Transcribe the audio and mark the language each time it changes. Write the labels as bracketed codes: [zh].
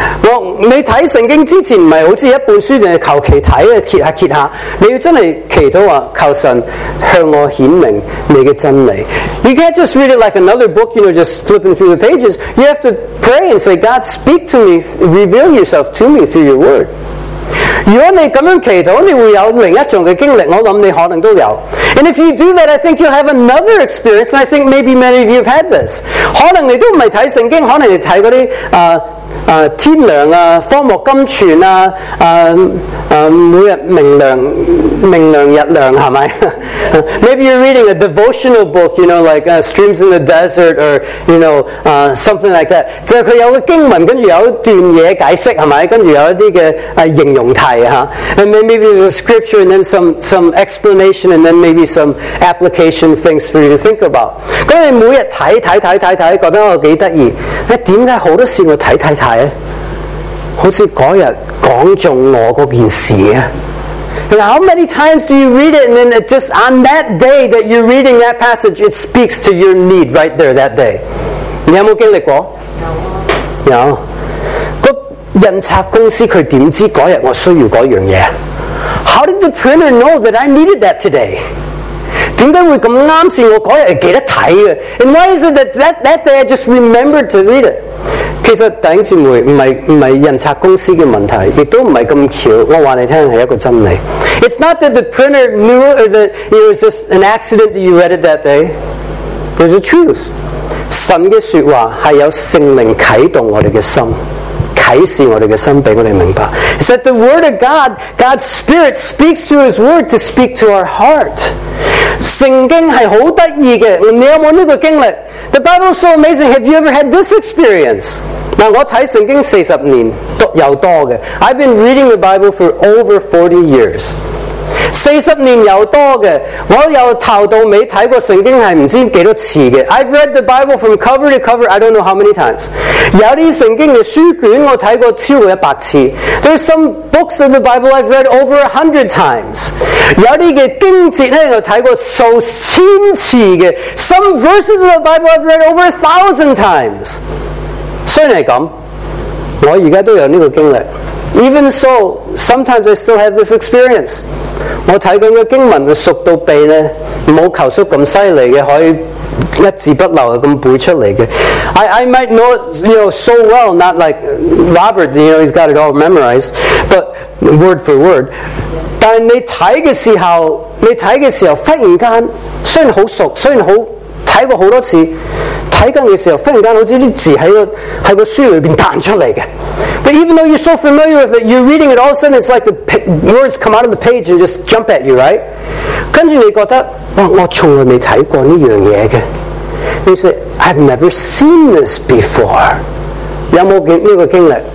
[yue] 我未睇圣经之前，唔系好似一本书，净系求其睇啊，揭下揭下。你要真系祈祷话求神向我显明你嘅真理。 [en] You can't just read it like another book, you know, just flipping through the pages. You have to pray and say, God, speak to me, reveal yourself to me through your word. [yue] 如果你咁样祈祷，你会有另一种嘅经历。我谂你可能都有。 [en] And if you do that, I think you'll have another experience. And I think maybe many of you have had this. [yue] 可能你都唔系睇圣经，可能你睇嗰啲天亮啊、荒漠甘泉啊、每日明亮日亮系咪？ [en] Maybe you're reading a devotional book, you know, like Streams in the Desert or you know something like that. [yue] 就系佢有个经文，跟住有一段嘢解释系咪？跟住有一啲嘅形容题。 [en] And then maybe there's a scripture and then some explanation and then maybe some application things for you to think about. [yue] 那你每日睇睇睇睇睇，觉得我几得意。为什么好多事我睇睇睇？好似嗰日讲中我嗰件事啊。 [en] And how many times do you read it and then it just on that day that you're reading that passage, it speaks to your need right there that day? [yue] 你有没有经历过？有。印刷公司佢点知嗰日我需要嗰样嘢 ？ [en] How did the printer know that I needed that today？ [yue] 点解会咁啱先？我嗰日系记得睇嘅。 [en] And why is it that day I just remembered to read it？ [yue] 其实弟兄姊妹唔系印刷公司嘅问题，亦都唔系咁巧。我话你听系一个真理。 [en] It's not that the printer knew or that it was just an accident that you read it that day. There's a truth. [yue] 神嘅说话系有圣灵启动我哋嘅心。启示我哋嘅心，俾我哋明白。 [en] It's that the word of God, God's Spirit speaks through His word to speak to our heart. [yue] 圣经系好得意嘅，你有冇呢个经历 ？ [en] The Bible is so amazing. Have you ever had this experience? [yue] 嗱，我睇圣经40年都有多嘅。 [en] I've been reading the Bible for over 40 years. [yue] 40年有多嘅，我由头到尾睇过圣经系唔知几多次嘅。 [en] I've read the Bible from cover to cover, I don't know how many times. [yue] 有啲圣经嘅书卷我睇过超过100次。 [en] There's some books of the Bible I've read over 100 times. [yue] 有啲嘅经节咧我睇过数千次嘅。 [en] Some verses of the Bible I've read over 1,000 times. [yue] 虽然系咁，我而家都有呢个经历。 [en] Even so, sometimes I still have this experience. [yue] 我睇紧个经文熟到痹咧，冇求速咁犀利嘅，可以一字不漏咁背出嚟嘅。 [en] I might know it, you know so well, not like Robert, you know he's got it all memorized, but word for word. [yue] 但系你睇嘅时候，忽然间虽然好熟，虽然好睇过好多次。睇紧嘅时候，忽然间好似啲字喺个书里边弹出嚟嘅。 [en] But even though you're so familiar with it, you're reading it all of a sudden, it's like the words come out of the page and just jump at you, right? [yue] 跟住你觉得，哇！我从来未睇过呢样嘢嘅。 [en] You say, I've never seen this before. [yue] 有冇呢个经历？